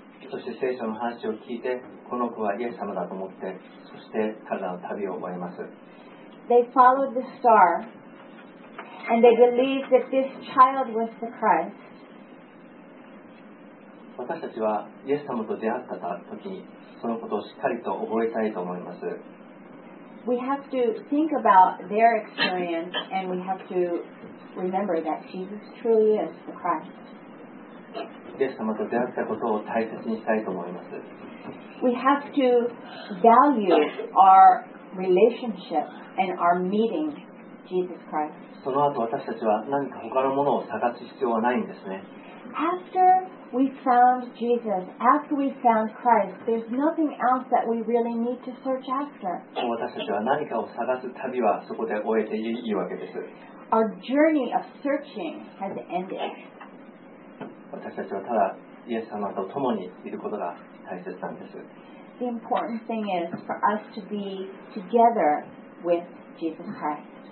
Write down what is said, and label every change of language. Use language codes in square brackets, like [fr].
[ja] そして聖書の話を聞いてこの子はイエス様だと思ってそして彼らの旅を終えます [en] They followed the star and they believed that this child was the Christ [ja] 私たちはイエス様と出会った時にそのことをしっかりと覚えたいと思います [en] We have to think about their experience and we have to remember that Jesus truly is the Christ [ja] イエス様と出会ったことを大切にしたいと思います。 [en] We have to value our relationship and our meeting Jesus Christ. [ja] その後私たちは何か他のものを探す必要はないんですね。 [en] After we found Jesus, after we found Christ, there's nothing else that we really need to search after. [ja] 私たちは何かを探す旅はそこで終えていいわけです。 [en] Our journey of searching has ended. [ja] 私たちはただイエス様と共にいることが大切なんです。 [en] The important thing is for us to be together with Jesus Christ.